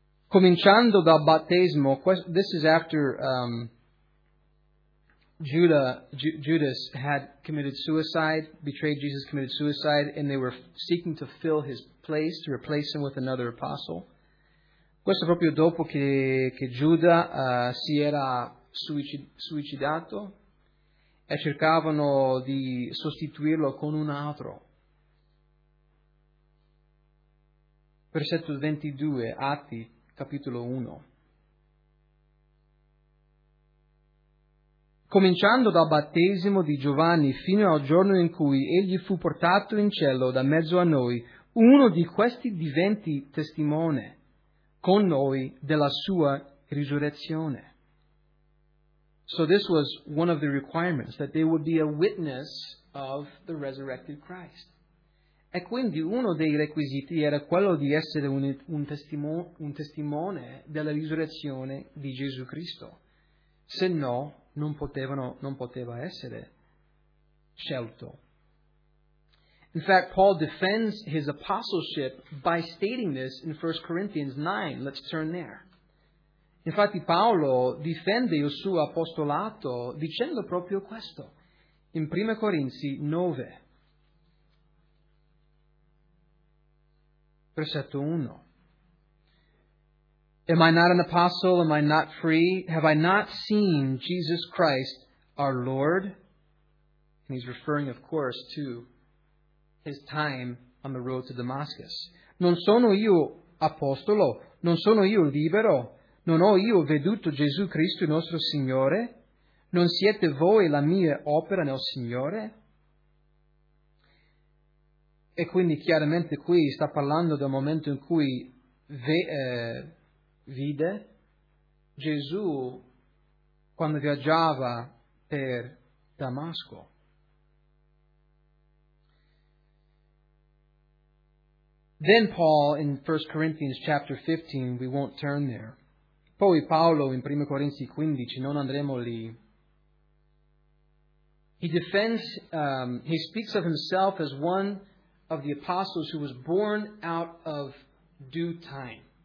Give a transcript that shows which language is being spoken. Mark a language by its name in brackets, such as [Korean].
[Italian] Cominciando dal battesimo, [English] this is after Judas had committed suicide, betrayed Jesus, committed suicide, and they were seeking to fill his place, to replace him with another apostle. [Italian] Questo proprio dopo che Giuda si era suicidato e cercavano di sostituirlo con un altro. Versetto 22, Atti, capitolo 1. Cominciando dal battesimo di Giovanni fino al giorno in cui egli fu portato in cielo da mezzo a noi, uno di questi diventi testimone con noi della sua risurrezione. [English] So this was one of the requirements, that they would be a witness of the resurrected Christ. [Italian] E quindi uno dei requisiti era quello di essere un testimone della risurrezione di Gesù Cristo. Se no, non poteva essere scelto. [English] In fact, Paul defends his apostleship by stating this in 1 Corinthians 9. Let's turn there. [Italian] Infatti, Paolo difende il suo apostolato dicendo proprio questo, in 1 Corinzi 9, versetto 1. [English] Am I not an apostle? Am I not free? Have I not seen Jesus Christ, our Lord? And he's referring, of course, to his time on the road to Damascus. [Italian] Non sono io apostolo? Non sono io libero? Non ho io veduto Gesù Cristo, il nostro Signore? Non siete voi la mia opera nel Signore? E quindi chiaramente qui sta parlando del momento in cui vide Gesù quando viaggiava per Damasco. [English] Then Paul in 1 Corinthians chapter 15, we won't turn there. [Italian] Poi Paolo in 1 Corinzi 15, non andremo lì. [English] He speaks of himself as one of the apostles who was born out of due time.